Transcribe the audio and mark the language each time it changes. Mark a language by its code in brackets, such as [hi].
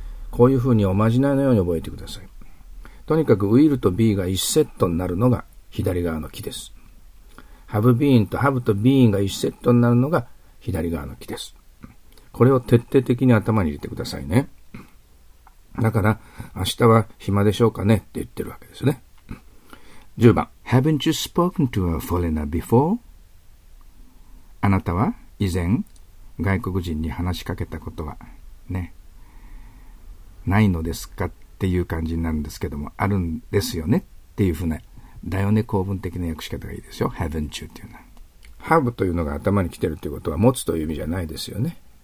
[ja] こういうふうにおまじないのように覚えてください。とにかく will と be が1セットになるのが左側の木です。 have been と have と been が1セットになるのが左側の木です。これを徹底的に頭に入れてくださいね。だから、明日は暇でしょうかねって言ってるわけですね。 [en] 10番 Haven't you spoken to a foreigner before? [ja] あなたは以前外国人に話しかけたことはね、ないのですかっていう感じになるんですけども、あるんですよねっていうふうな、だよね構文的な訳し方がいいですよ。 Haven't you っていうのは Have というのが頭に来てるということは持つという意味じゃないですよね。